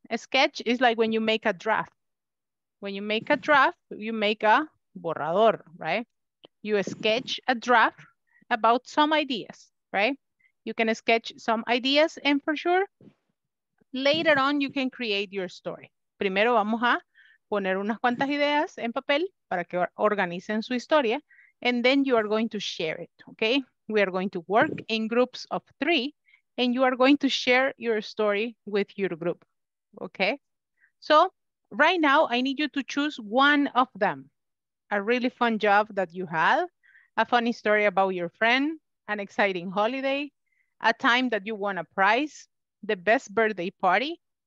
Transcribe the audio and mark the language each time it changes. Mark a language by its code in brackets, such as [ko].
[en] A sketch is like when you make a draft. When you make a draft, you make a borrador, right? You sketch a draft about some ideas, right? You can sketch some ideas and for sure, later on you can create your story. [es] Primero vamos a poner unas cuantas ideas en papel para que organicen su historia. [en] And then you are going to share it, okay? We are going to work in groups of three and you are going to share your story with your group, okay? So, right now, I need you to choose one of them. A really fun job that you had, a funny story about your friend, an exciting holiday, a time that you won a prize, the best birthday party,